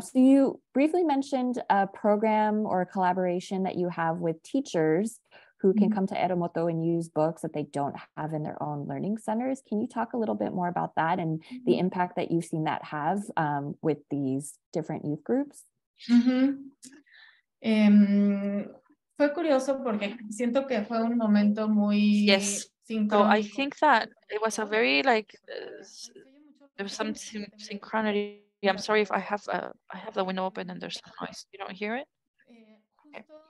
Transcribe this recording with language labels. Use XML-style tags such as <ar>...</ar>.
<en>So you briefly mentioned a program or a collaboration that you have with teachers who can come to Aeromoto and use books that they don't have in their own learning centers. Can you talk a little bit more about that and mm-hmm. the impact that you've seen that have with these different youth groups? Mm-hmm.</en> <es>Fue curioso porque siento que fue un momento muy yes. sincrónico.</es> <en>So I think that it was a very like, there's some synchronicity. I'm sorry if I have the window open and there's some noise. You don't hear it? Okay.</en>